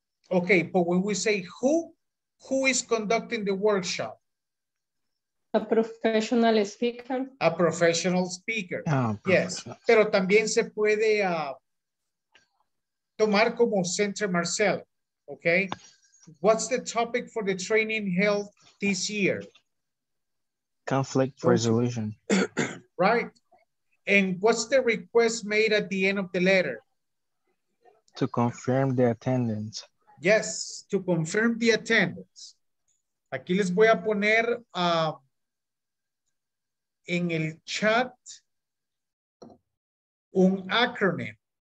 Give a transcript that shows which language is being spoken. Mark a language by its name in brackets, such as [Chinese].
[English] Okay, but when we say who is conducting the workshop? A professional speaker. A professional speaker. Yes, [Spanish] pero también se puede tomar como Centro Marcel. [English] Okay, what's the topic for the training held this year? Conflict resolution. Right. And what's the request made at the end of the letter? To confirm the attendance. Yes, to confirm the attendance. [Spanish] Aquí les voy a poner en el chat un acronym.